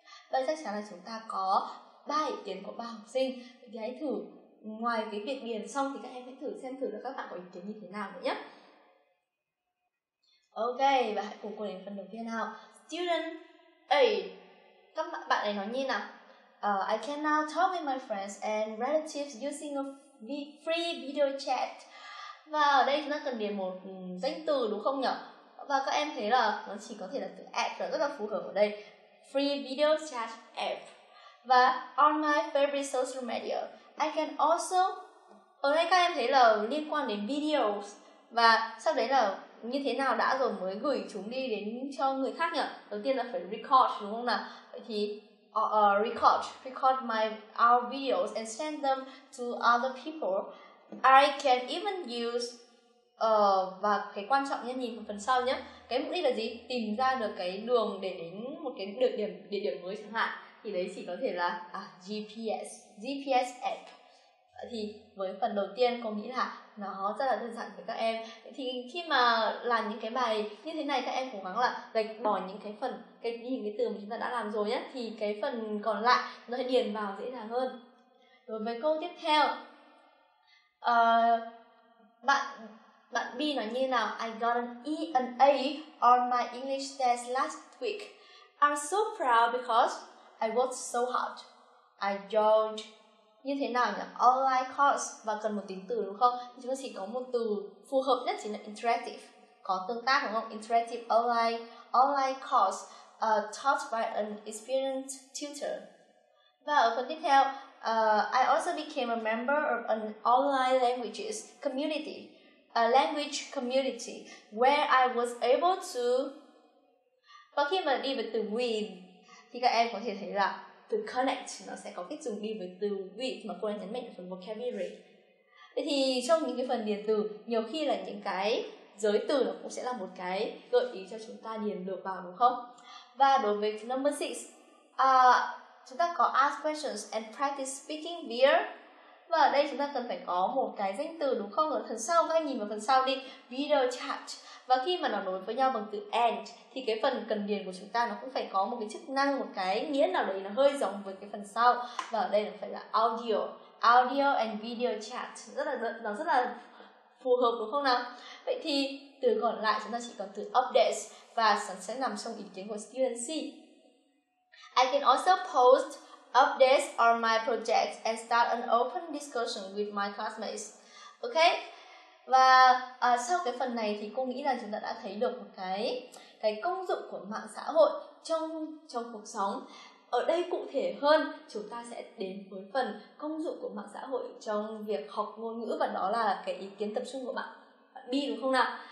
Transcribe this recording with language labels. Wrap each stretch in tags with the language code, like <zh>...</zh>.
<vi>Và chắc chắn là chúng ta có 3 ý kiến của 3 học sinh. Thì hãy thử, ngoài cái việc điền xong thì các em hãy thử xem thử là các bạn có ý kiến như thế nào nhé. Ok, và hãy cùng cô đến phần đầu tiên nào. Student A, các bạn này nói như nào?</vi> <en>I can now talk with my friends and relatives using a free video chat.</en> <vi>Và ở đây chúng ta cần điền một danh từ, đúng không nhỉ? Và các em thấy là nó chỉ có thể là từ app rất là phù hợp ở đây.</vi> <en>Free video chat app. Và on my favorite social media, I can also...</en> <vi>Ở đây các em thấy là liên quan đến videos. Và sau đấy là như thế nào đã rồi mới gửi chúng đi đến cho người khác nhỉ? Đầu tiên là phải record, đúng không nào?</vi> <en>Vậy thì record my our videos and send them to other people.</en> <vi>I can even use và cái quan trọng nhất nhìn phần sau nhé. Cái mục đích là gì? Tìm ra được cái đường để đến một cái địa điểm mới chẳng hạn. Thì đấy chỉ có thể là GPS app. Thì với phần đầu tiên cô nghĩ là nó rất là đơn giản với các em. Thì khi mà làm những cái bài như thế này, các em cố gắng là gạch bỏ những cái phần những cái từ mà chúng ta đã làm rồi nhé. Thì cái phần còn lại nó sẽ điền vào dễ dàng hơn. Đối với câu tiếp theo, bạn B nói như nào?</vi> <en>I got an E and A on my English test last week. I'm so proud because I worked so hard.</en> <vi>I don't... Như thế nào nhỉ? Online course. Và cần một tính từ, đúng không? Chúng ta chỉ có một từ phù hợp nhất chính là interactive.</vi> <en>Có tương tác, đúng không? Interactive online course taught by an experienced tutor. Và ở phần tiếp theo, I also became a member of an online languages community. A language community where I was able to...</en> <vi>Và khi mà đi với từ with thì các em có thể thấy là từ connect nó sẽ có cách dùng đi với từ with mà cô đang nhấn mạnh ở phần vocabulary. Thì trong những cái phần điền từ, nhiều khi là những cái giới từ nó cũng sẽ là một cái gợi ý cho chúng ta điền được vào, đúng không?</vi> <en>Và đối với number 6, chúng ta có ask questions and practice speaking via.</en> <vi>Và ở đây chúng ta cần phải có một cái danh từ, đúng không? Ở phần sau, các em nhìn vào phần sau đi, video chat. Và khi mà nó nối với nhau bằng từ and thì cái phần cần điền của chúng ta nó cũng phải có một cái chức năng, một cái nghĩa nào đấy nó hơi giống với cái phần sau. Và ở đây nó phải là audio and video chat, rất là phù hợp, đúng không nào? Vậy thì từ còn lại chúng ta chỉ còn từ updates, và sẽ nằm trong ý kiến của student C.</vi> <en>I can also post updates on my projects and start an open discussion with my classmates. Okay?</en> <vi>Và sau cái phần này thì cô nghĩ là chúng ta đã thấy được một cái công dụng của mạng xã hội trong cuộc sống. Ở đây cụ thể hơn, chúng ta sẽ đến với phần công dụng của mạng xã hội trong việc học ngôn ngữ, và đó là cái ý kiến tập trung của bạn B, đúng không nào?</vi>